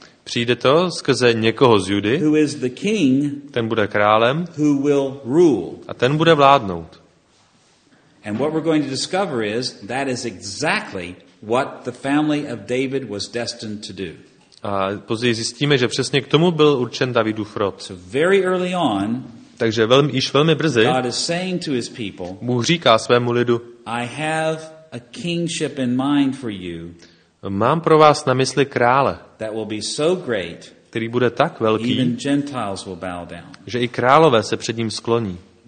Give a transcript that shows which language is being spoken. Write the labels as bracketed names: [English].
[Czech] Přijde to skrze někoho z Judy, [English] who is the king, [Czech] ten bude králem, [English] who will rule. [Czech] A ten bude vládnout. [English] And what we're going to discover is that is exactly what the family of David was destined to do. [Czech] A později zjistíme, že přesně k tomu byl určen Davidův rod. [English] So very early on, [Czech] takže velmi, již velmi brzy, [English] God is saying to his people, [Czech] Bůh říká svému lidu, [English] I have a kingship in mind for you. [Czech] Mám pro vás na mysli krále, [English] that will be so great, [Czech] který bude tak velký, [English] even Gentiles will bow down. [Czech] Že i králové se před ním skloní.